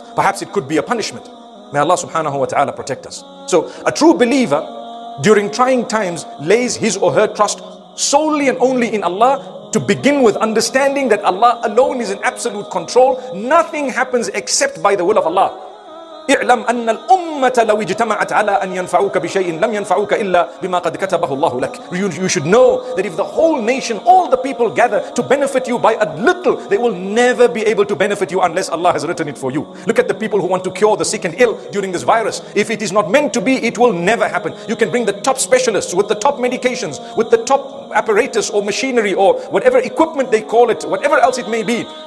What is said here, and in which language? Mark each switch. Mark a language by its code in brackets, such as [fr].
[en] Perhaps it could be a punishment. May Allah subhanahu wa ta'ala protect us. So a true believer, during trying times, lays his or her trust solely and only in Allah, to begin with understanding that Allah alone is in absolute control. Nothing happens except by the will of Allah. [ar] اعلم أن الأمة لو اجتمعت على أن ينفعوك بشيء لم ينفعوك إلا بما قد كتبه الله لك. [en] You should know that if the whole nation, all the people gather to benefit you by a little, they will never be able to benefit you unless Allah has written it for you. Look at the people who want to cure the sick and ill during this virus. If it is not meant to be, it will never happen. You can bring the top specialists with the top medications, with the top apparatus or machinery or whatever equipment they call it, whatever else it may be.